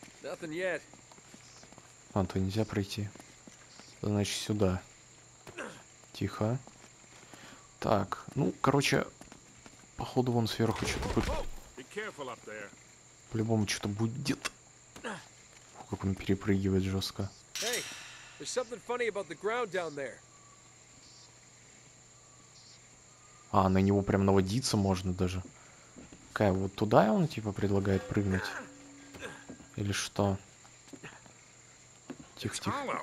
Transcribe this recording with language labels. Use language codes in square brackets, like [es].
[ru] А, то нельзя пройти. Значит, сюда. Тихо. Так, ну, короче, походу вон сверху что-то будет. По-любому что-то будет. Фу, как он перепрыгивает жестко. [en] Hey, there's something funny about the ground down there. [ru] А, на него прям наводиться можно даже. Какая, вот туда он типа предлагает прыгнуть? Или что? Тихо-тихо.